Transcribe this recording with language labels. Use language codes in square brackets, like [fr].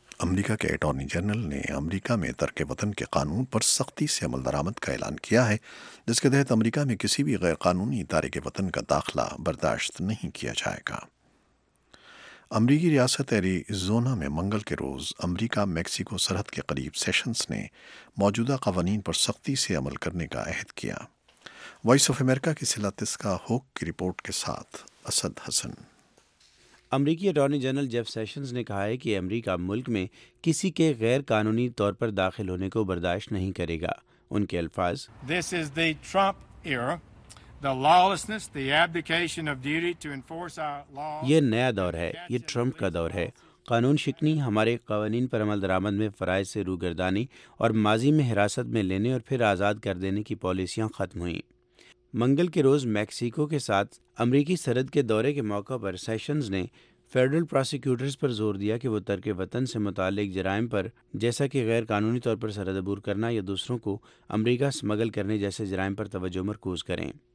[ur] امریکہ کے attorney general نے امریکہ میں ترک وطن کے قانون پر سختی سے عمل درآمد کا اعلان کیا ہے، جس کے تحت امریکہ میں کسی بھی غیر قانونی تارک وطن کا داخلہ برداشت نہیں کیا جائے گا۔ امریکی ریاست ایریزونا میں منگل کے روز امریکہ میکسیکو سرحد کے قریب سیشنز نے موجودہ قوانین پر سختی سے عمل کرنے کا عہد کیا۔ وائس آف امریکہ کی سلا تسکا ہوک کی رپورٹ کے ساتھ اسد حسن۔ امریکی اٹارنی جنرل جیف سیشنز نے کہا ہے کہ امریکہ ملک میں کسی کے غیر قانونی طور پر داخل ہونے کو برداشت نہیں کرے گا۔ ان کے الفاظ، [en] This is the Trump era. The lawlessness, the abdication of duty to enforce our laws. [ur] یہ نیا دور ہے، یہ ٹرمپ کا دور ہے۔ قانون شکنی، ہمارے قوانین پر عمل درآمد میں فرائض سے روگردانی اور ماضی میں حراست میں لینے اور پھر آزاد کر دینے کی پالیسیاں ختم ہوئیں۔ منگل کے روز میکسیکو کے ساتھ امریکی سرحد کے دورے کے موقع پر سیشنز نے فیڈرل پروسیکیوٹرز پر زور دیا کہ وہ ترک وطن سے متعلق جرائم پر، جیسا کہ غیر قانونی طور پر سرحد عبور کرنا یا دوسروں کو امریکہ سمگل کرنے جیسے جرائم پر توجہ مرکوز کریں۔